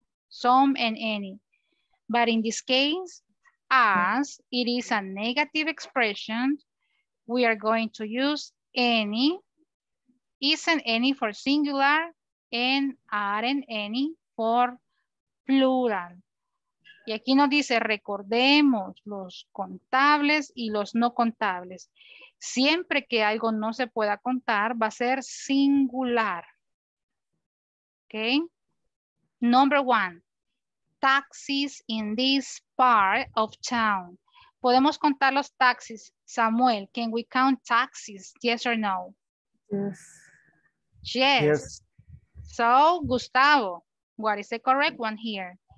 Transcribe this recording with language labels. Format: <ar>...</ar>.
<en>Some and any. But in this case, as it is a negative expression, we are going to use any. Isn't any for singular and aren't any for plural.</en> <es>Y aquí nos dice, recordemos los contables y los no contables. Siempre que algo no se pueda contar, va a ser singular. ¿Ok?</es> <en>Number one. Taxis in this part of town.</en> <es>¿Podemos contar los taxis?</es> <en>Samuel, can we count taxis? Yes or no? Yes. Yes. Yes. So, Gustavo, what is the correct one here?</en>